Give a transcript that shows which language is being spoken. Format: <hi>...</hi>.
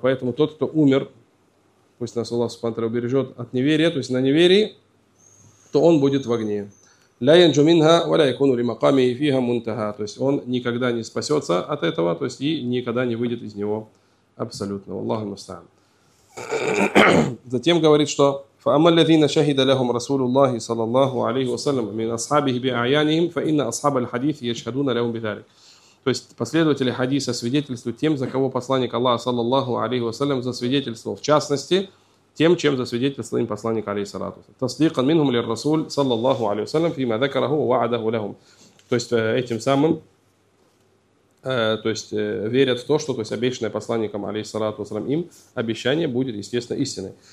<ru>Поэтому тот, кто умер, пусть нас Аллах Субхану ва Тааля убережет от неверия, то есть на неверии, то он будет в огне.</ru> <ar>لَا يَنْجُو مِنْهَا وَلَا يَكُونُ لِمَقَامِهِ فِيهَا مُنْتَهَا.</ar> <ru>То есть он никогда не спасется от этого, то есть и никогда не выйдет из него абсолютно. Аллаху мустаан. Затем говорит, что</ru> <ar>فَأَمَّا الَّذِينَ شَهِدَ لَهُمْ رَسُولُ اللَّهِ صَلَى اللَّهُ عَلَيْهُ وَسَلَّمَ مِنْ أَصْحَابِهِ بِأَعْيَانِهِمْ فَإِنَّ أَصْحَابَ الْحَدِيثِ يَشْهَدُونَ لَهُمْ بِذَلِكَ.</ar> <ru>То есть последователи хадиса свидетельствуют тем, за кого посланник Аллаха, саллаллаху алейхи вассалям, засвидетельствовал, в частности, тем, чем засвидетельствовал им посланник, алейхиссалату.</ru> <ar>تَصْدِيقًا مِنْهُمْ لِلرَّسُولِ صَلَّى اللَّهُ عَلَيْهِ وَسَلَّمَ فِيمَا ذَكَرَهُ وَوَعَدَهُ لَهُمْ.</ar> <ru>То есть этим самым, то есть верят в то, что то есть, обещанное посланником, алейхиссалату вассалям, им обещание будет, естественно, истиной.</ru>